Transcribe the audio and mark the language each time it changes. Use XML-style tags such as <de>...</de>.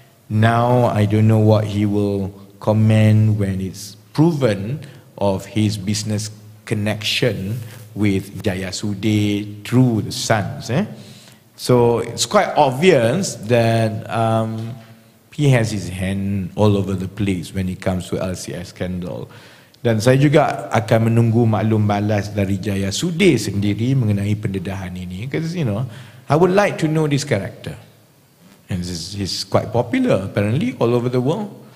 <en>Now I don't know what he will comment when it's proven of his business connection with Jayasudhe through the sons. Eh? So it's quite obvious that he has his hand all over the place when it comes to LCS scandal.</en> <ms>Dan saya juga akan menunggu maklum balas dari Jayasudhe sendiri mengenai pendedahan ini.</ms> <en>Because, you know, I would like to know this character. And he's quite popular, apparently, all over the world.</en>